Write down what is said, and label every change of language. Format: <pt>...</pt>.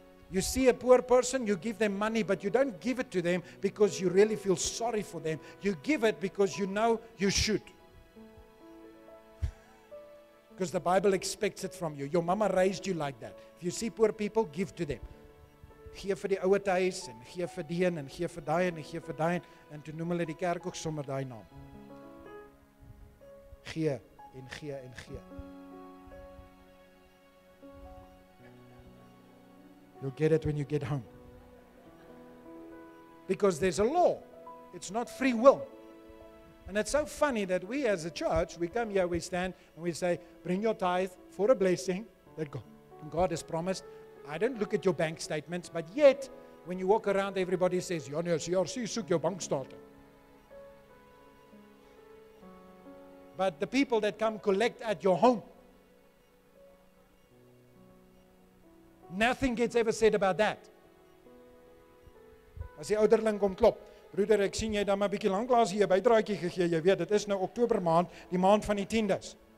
<en>You see a poor person, you give them money, but you don't give it to them because you really feel sorry for them. You give it because you know you should. Because the Bible expects it from you. Your mama raised you like that. If you see poor people, give to them.</en> <af>Gee vir die ouer huis en gee vir die en gee vir daai en gee vir daai en toe noem hulle die kerk ook sommer daai naam. Gee en gee en gee.</af> <en>You'll get it when you get home. Because there's a law. It's not free will. And it's so funny that we as a church, we come here, we stand, and we say, bring your tithe for a blessing that God has promised. I don't look at your bank statements, but yet, when you walk around, everybody says, "Jan, CRC, soek your bank statement." But the people that come collect at your home, nothing gets ever said about that.</en> <af>As die ouderling kom klop, broeder, ek sien jy dan maar bietjie lanklaas hier 'n bydraadjie gegee. Jy weet, dit is nou Oktober maand, die maand van die tiendes.</af>